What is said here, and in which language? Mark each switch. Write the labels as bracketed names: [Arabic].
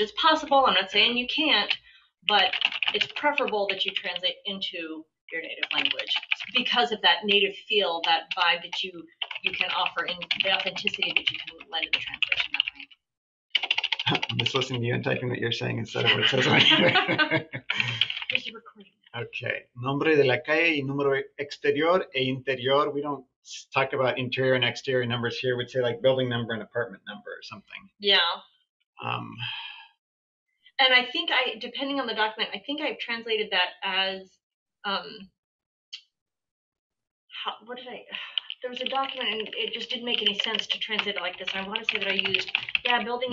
[English] It's possible, I'm not saying you can't, but it's preferable that you translate into your native language because of that native feel, that vibe that you can offer, and the authenticity that you can lend to the translation that way. I'm just listening to you and typing what you're saying instead of what it says on here. Here's your recording. Okay. [Spanish] Nombre de la calle y número exterior e interior. [English] We don't talk about interior and exterior numbers here. We'd say like building number and apartment number or something. Yeah. And I think depending on the document, I think I've translated that as there was a document and it just didn't make any sense to translate it like this. I want to say that I used, building